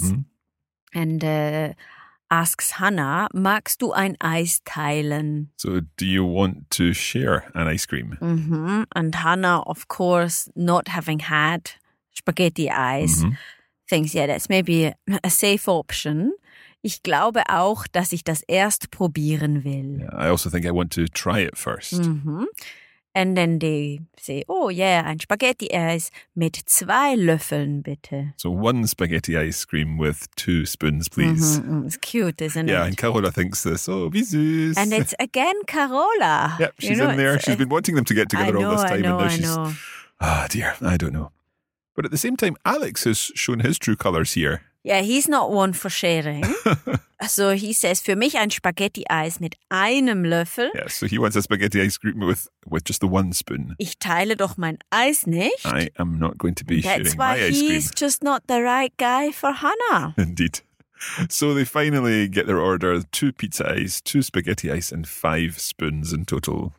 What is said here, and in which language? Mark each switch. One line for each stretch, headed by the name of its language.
English: Mm-hmm. And asks Hannah,
German: magst du ein Eis teilen?
English: So do you want to share an ice cream? Mm-hmm. And Hannah, of course, not having had spaghetti ice, mm-hmm. thinks, yeah, that's maybe a safe option.
German: Ich glaube auch, dass ich das erst probieren will.
English: Yeah, I also think I want to try it first. Mm-hmm. And then they say, oh yeah,
German: ein spaghetti ice mit zwei Löffeln, bitte.
English: So one spaghetti ice cream with two spoons, please. Mm-hmm. It's cute, isn't it? Yeah, and Carola thinks this.
German: Oh, wie süß.
English: And it's again Carola. Yep, she's in there. She's been wanting them to get together all this time. I know. I don't know. But at the same time, Alex has shown his true colors here. Yeah, he's not one for sharing. So he says,
German: für mich ein Spaghetti-Eis mit einem Löffel.
English: Yeah, so he wants a spaghetti ice cream with just the one spoon.
German: Ich teile doch mein Eis nicht.
English: I am not going to be That's sharing my ice cream. That's why he's just not the right guy for Hannah. Indeed. So they finally get their order, two pizza ice, two spaghetti ice and five spoons in total.